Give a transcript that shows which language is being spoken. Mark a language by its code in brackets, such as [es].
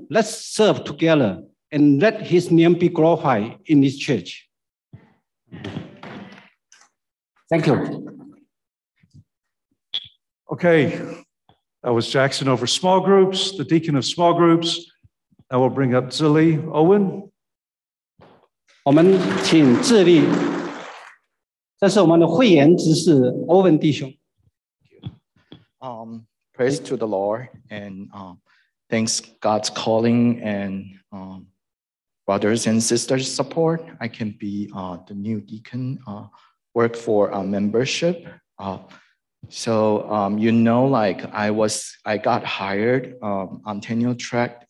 [en] Let's serve together and let his name be glorified in this church. Thank you. Okay, that was Jackson over small groups, the deacon of small groups. Now we'll bring up Zili Owen. [zh] 我们请智利，这是我们的会员执事Owen弟兄。 [en] Praise to the Lord and thanks God's calling and brothers and sisters' support. I can be the new deacon, work for a membership. I got hired on tenure track.